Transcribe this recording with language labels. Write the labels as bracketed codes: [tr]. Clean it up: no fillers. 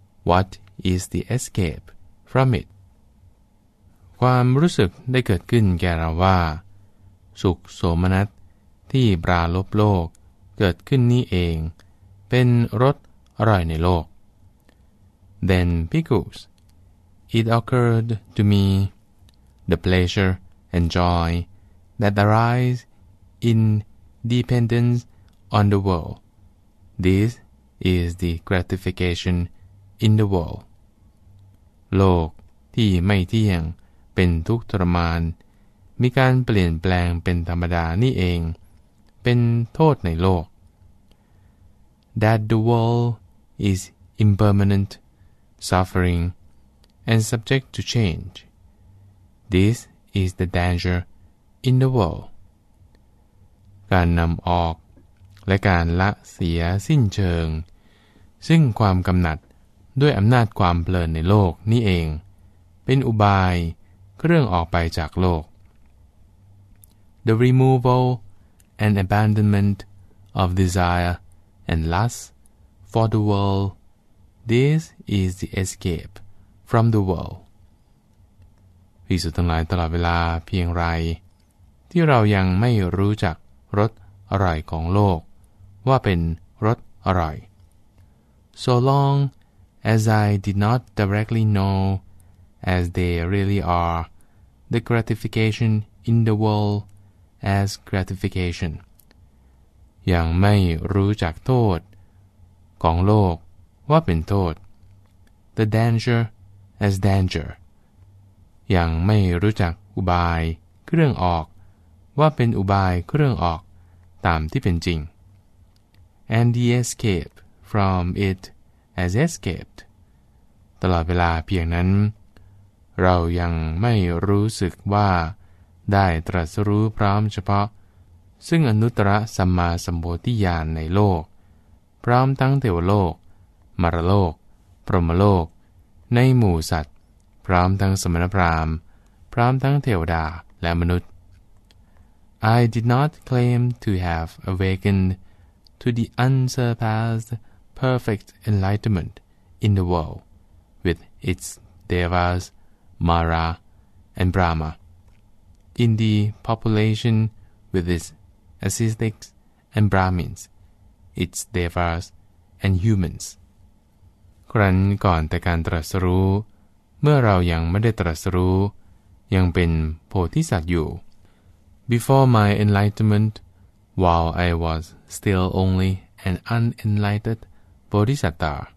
[en] What is the escape from it? [th] ความรู้สึกได้เกิดขึ้นแก่เราว่าสุขโสมนัสที่ปราลบโลกเกิดขึ้นนี้เองเป็นรสอร่อยในโลก [en] Then, because it occurred to me, the pleasure and joy that arise in dependence on the world, this is the gratification in the world. [th] โลกที่ไม่เที่ยงเป็นทุกข์ทรมานมีการเปลี่ยนแปลงเป็นธรรมดานี่เองเป็นโทษในโลก [en] That the world is impermanent, suffering, and subject to change. This is the danger in the world. [th] การนำออกและการละเสียสิ้นเชิงซึ่งความกำหนัดด้วยอำนาจความเพลินในโลกนี่เองเป็นอุบายเรื่องออกไปจากโลก [en] The removal and abandonment of desire and lust for the world, this is the escape from the world. [th] ภิกษุทั้งหลายตลอดเวลาเพียงไรที่เรายังไม่รู้จักรสอร่อยของโลกว่าเป็นรสอร่อย [en] So long as I did not directly know as they really are the gratification in the world as gratification. [th] ยังไม่รู้จักโทษของโลกว่าเป็นโทษ [en] The danger as danger. [th] ยังไม่รู้จักอุบายเครื่องออกว่าเป็นอุบายเครื่องออกตามที่เป็นจริง [en] And the escape from it as escaped. [th] ตลอดเวลาเพียงนั้นเรายังไม่รู้สึกว่าได้ตรัสรู้พร้อมเฉพาะซึ่งอนุตตรสัมมาสัมโพธิญาณในโลกพร้อมทั้งเทวโลกมรรคโลกพรหมโลกในหมู่สัตว์พร้อมทั้งสมณพราหมณ์พร้อมทั้งเทวดาและมนุษย์ [en] I did not claim to have awakened to the unsurpassed perfect enlightenment in the world with its devas Mara and Brahma, in the population with its ascetics and Brahmins, its devas and humans. [th] ครั้นก่อนแต่การตรัสรู้เมื่อเรายังไม่ได้ตรัสรู้ยังเป็นโพธิสัตว์อยู่ [en] Before my enlightenment, while I was still only an unenlightened bodhisattva,